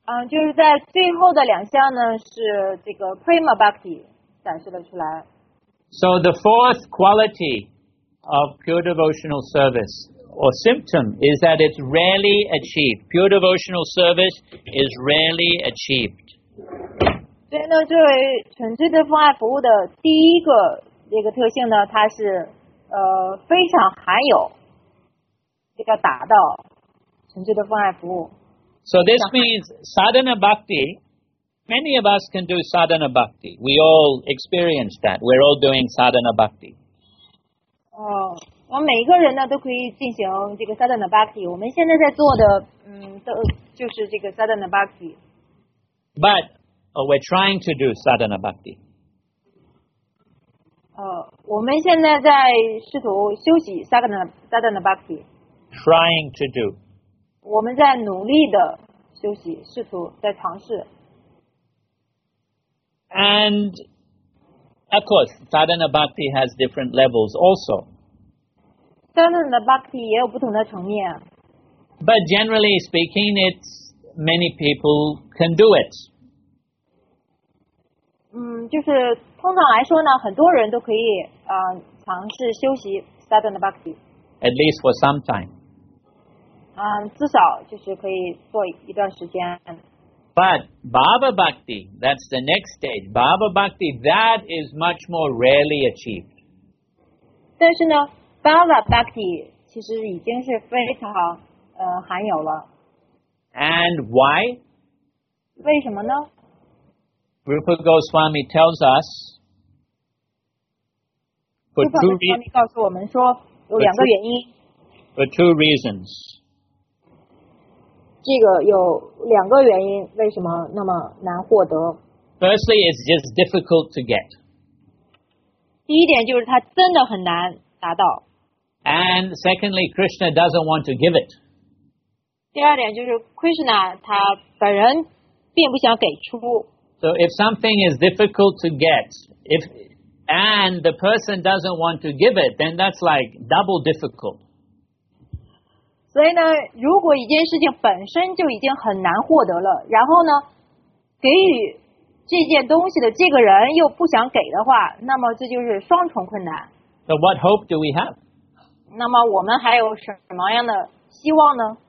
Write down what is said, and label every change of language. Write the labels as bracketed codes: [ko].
[zh] 就是在最后的两项呢，是这个 Prema Bhakti 展示了出来。 [en] So the fourth quality of pure devotional service or symptom is that it's rarely achieved. Pure devotional service is rarely achieved. [zh] 所以呢，作为纯粹的奉爱服务的第一个这个特性呢，它是非常罕有，这个达到纯粹的奉爱服务。 [en] So this means sadhana bhakti, many of us can do sadhana bhakti. We all experience that. We're all doing sadhana bhakti. [zh] 我们每一个人呢都可以进行这个 sadhana bhakti. 我们现在在做的就是这个 sadhana bhakti. [en] But, we're trying to do sadhana bhakti. [zh] 我们现在在试图修习 sadhana bhakti. [en] Trying to do. [zh] 我们在努力的休息，试图在尝试。 [en] And of course, sadhana bhakti has different levels also. [zh] Sadhana bhakti 也有不同的层面。 [en] But generally speaking, it's many people can do it. [zh] 就是通常来说呢，很多人都可以尝试休息 sadhana bhakti. [en] At least for some time. [zh] 至少就是可以做一段时间。 [en] But Bhava Bhakti, that's the next stage. Bhava Bhakti, that is much more rarely achieved. [zh] 但是呢 ，Bhava Bhakti 其实已经是非常罕有了。 [en] And why? [zh] 为什么呢 [en] ？Rupa Goswami tells us. [zh] Rupa Goswami 告诉我们说有两个原因。 [en] For two reasons. [zh] 这个有两个原因，为什么那么难获得 [en] ？Firstly, it's just difficult to get. [zh] 第一点就是它真的很难达到。 [en] And secondly, Krishna doesn't want to give it. [zh] 第二点就是 Krishna 他本人并不想给出。 [en] So if something is difficult to get, and the person doesn't want to give it, then that's like double difficult. [zh] 所以呢，如果一件事情本身就已经很难获得了，然后呢，给予这件东西的这个人又不想给的话，那么这就是双重困难。 [en] So what hope do we have? [zh] 那么我们还有什么样的希望呢